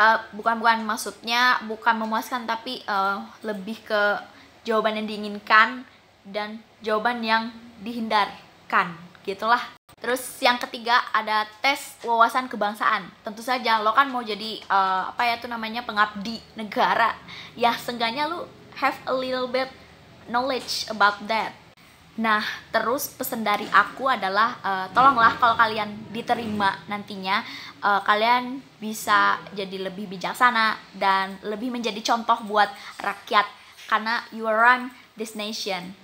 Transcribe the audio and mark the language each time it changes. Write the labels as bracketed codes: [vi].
[id] Bukan-bukan maksudnya bukan memuaskan, tapi lebih ke jawaban yang diinginkan dan jawaban yang dihindarkan, gitulah. Terus yang ketiga ada tes wawasan kebangsaan. Tentu saja lo kan mau jadi apa ya tuh namanya, pengabdi negara. Ya seenggaknya lo [en] have a little bit knowledge about that. [id] Nah, terus pesan dari aku adalah tolonglah kalau kalian diterima nantinya, kalian bisa jadi lebih bijaksana dan lebih menjadi contoh buat rakyat, karena [en] you run this nation.